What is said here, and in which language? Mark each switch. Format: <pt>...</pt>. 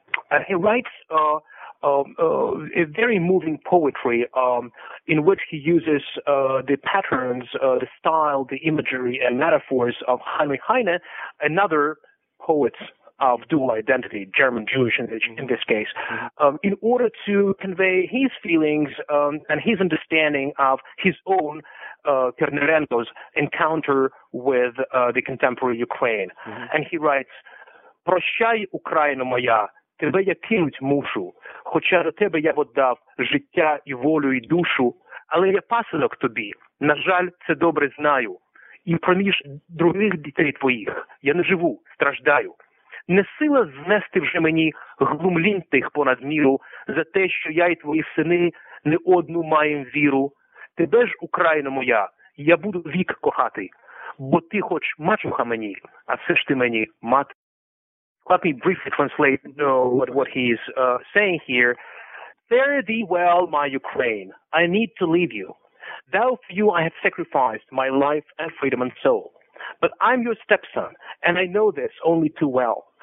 <en>And he writes a very moving poetry in which he uses the patterns, the style, the imagery, and metaphors of Heinrich Heine, another poet of dual identity, German-Jewish in this case, in order to convey his feelings and his understanding of his own Kernerenko's encounter with the contemporary Ukraine. Mm-hmm. And he writes,</en> <uk>«Прощай, Україна моя, тебе я кинуть мушу, хоча до тебе я віддав життя і волю і душу, але я пасинок тобі, на жаль, це добре знаю, і проміж других дітей твоїх я не живу, страждаю». Не сила знести вже мені глумлінь тих понад міру за те, що я і твої сини не одну маємо віру. Тебе ж, Україна моя, я буду вік кохати, бо ти хоч мачуха мені, а все ж ти мені мати.</uk> <en>Let me briefly translate what he is saying here. Fare thee well, my Ukraine. I need to leave you. Thou for you I have sacrificed my life and freedom and soul. But I'm your stepson, and I know this only too well.</en>